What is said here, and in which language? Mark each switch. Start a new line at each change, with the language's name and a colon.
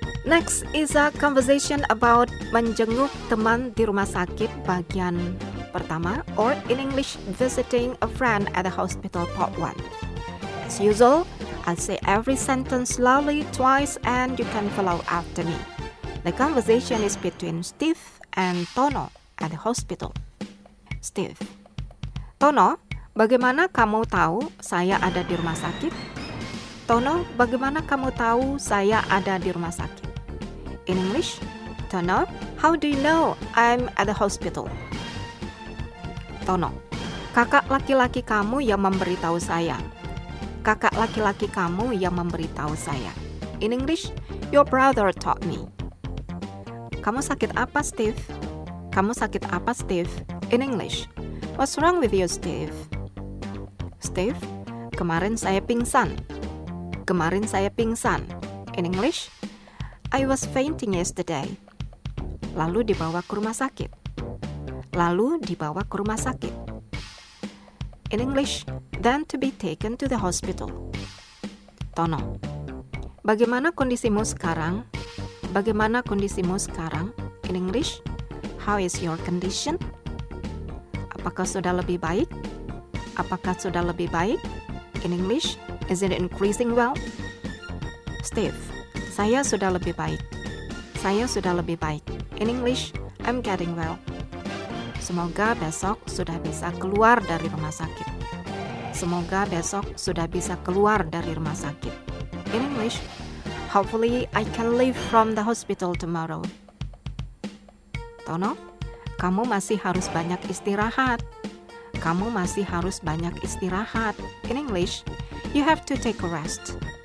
English: Next is a conversation about
Indonesian: menjenguk teman di rumah sakit bagian pertama,
English: or in English, visiting a friend at the hospital, part one. As usual, I'll say every sentence slowly twice and you can follow after me. The conversation is between Steve and Tono at the hospital. Steve.
Indonesian: Tono, bagaimana kamu tahu saya ada di rumah sakit? Tono, bagaimana kamu tahu saya ada di rumah sakit?
English: In English, Tono, how do you know I'm at the hospital?
Indonesian: Tono, kakak laki-laki kamu yang memberitahu saya. Kakak laki-laki kamu yang memberitahu saya.
English: In English, your brother taught me.
Indonesian: Kamu sakit apa, Steve? Kamu sakit apa, Steve?
English: In English, what's wrong with you, Steve?
Indonesian: Steve, kemarin saya pingsan. Kemarin saya pingsan.
English: In English, I was fainting yesterday.
Indonesian: Lalu dibawa ke rumah sakit. Lalu dibawa ke rumah sakit.
English: In English, then to be taken to the hospital.
Indonesian: Tono, bagaimana kondisimu sekarang? Bagaimana kondisimu sekarang?
English: In English, how is your condition?
Indonesian: Apakah sudah lebih baik? Apakah sudah lebih baik?
English: In English, is it increasing well?
Indonesian: Steve, saya sudah lebih baik. Saya sudah lebih baik.
English: In English, I'm getting well.
Indonesian: Semoga besok sudah bisa keluar dari rumah sakit. Semoga besok sudah bisa keluar dari rumah sakit.
English: In English, hopefully I can leave from the hospital tomorrow.
Indonesian: Tono, kamu masih harus banyak istirahat. Kamu masih harus banyak istirahat.
English: In English, you have to take a rest.